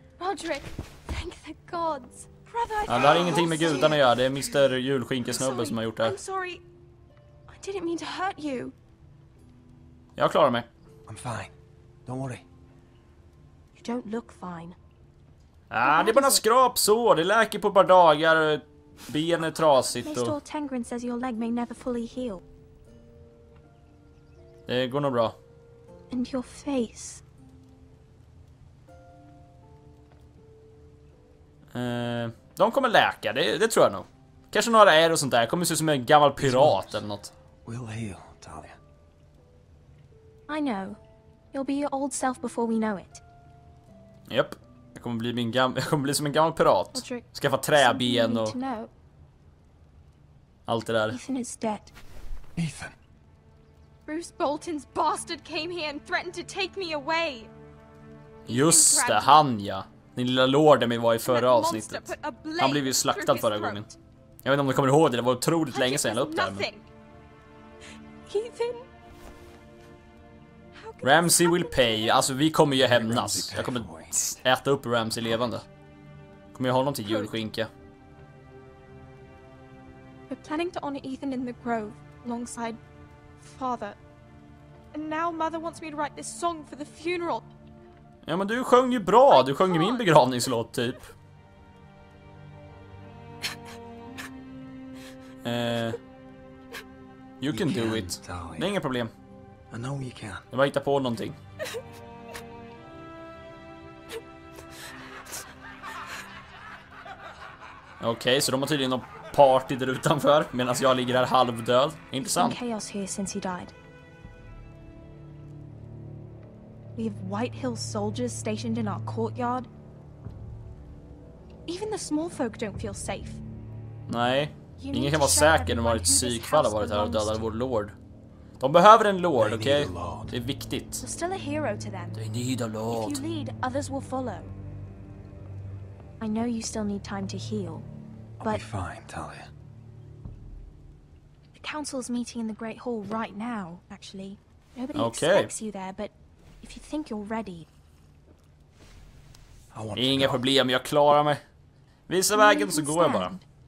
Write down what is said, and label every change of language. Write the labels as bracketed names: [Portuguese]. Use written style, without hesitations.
[English] Roderick, thank the gods. Brother, [Swedish] ja, det har ingenting med gudarna att göra. Det är Mr. Julskinkesnubbe som har gjort det. [English] I'm sorry. didn't mean to hurt you. [Swedish] Jag klarar mig. [English] I'm fine. Don't worry. You don't look fine. [Swedish] Ah, det är bara skrapsår. Det läker på ett par dagar. Benet är trasigt. [English] Maester Tengren says your leg may never fully heal. [Swedish] Det går nog bra. [English] And your face. [Swedish] De kommer läka, det tror jag nog. Kanske några är och sånt där. Kommer se ut som en gammal pirat eller något. [English] We'll heal, Talia. I know. You'll be your old self before we know it. [Swedish] Japp. Jag kommer bli som en gammal pirat. Skaffa träben och allt det där. [English] Ethan is dead. Ethan. Bruce Bolton's bastard came here and threatened to take me away. [Swedish] Just det, han ja. Den lilla lorden vi var i förra avsnittet. Han blev ju slaktad förra gången. Jag vet inte om du kommer ihåg det var otroligt länge sedan jag upp där. [English] Ethan. Ramsay will pay. [Swedish] Alltså vi kommer ju hämnas. Jag kommer äta upp Ramsay levande. Kommer jag ha honom till julskinka. [English] We're planning to honor Ethan in the grove alongside father. And now mother wants me to write this song for the funeral. [Swedish] Ja men du sjöng ju bra. Du sjöng min begravningslåt typ. [English] You can do it. [Swedish] Det är inga problem. [English] I know you can. [Swedish] Jag hittar på någonting. Okej, okay, så de har tydligen något party där utanför medan jag ligger här halvdöd. Intressant. [English] Chaos here since he died. We have White Hill soldiers stationed in our courtyard. Even the small folk don't feel safe. [Swedish] Nej. Ingen kan vara säker när varit psykfall har varit här och dödat vår lord. De behöver en lord, okej? Okay? Det är viktigt. [English] You're still a hero to them. They need a lord. If you lead, others will follow. I know you still need time to heal, but I'll be fine, Talia. The council's meeting in the great hall right now, actually. Nobody okay. expects you there, but if you think you're ready. [Swedish] Inga problem, jag klarar mig. Visa vägen så går jag bara.